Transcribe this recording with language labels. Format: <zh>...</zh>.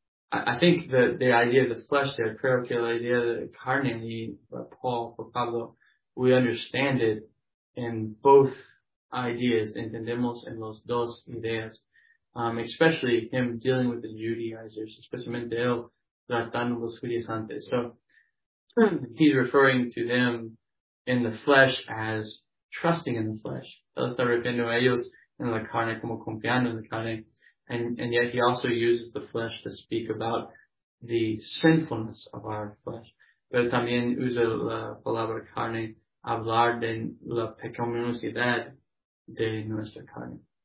<en>I think the idea of the flesh there, prayer, the idea of the carne, Paul, for Pablo, we understand it in both ideas.</en> <es>Entendemos en los dos ideas.</es> <en>Especially him dealing with the Judaizers,</en> <es>especialmente él, tratando los judíos antes.</es> <en>So, he's referring to them in the flesh as trusting in the flesh.</en> <es>Él está refiriendo a ellos en la carne como confiando en la carne.</es> <en>And yet he also uses the flesh to speak about the sinfulness of our flesh.</en> <es>Pero también usa la palabra carne hablar de la pecaminosidad de nuestra carne.</es>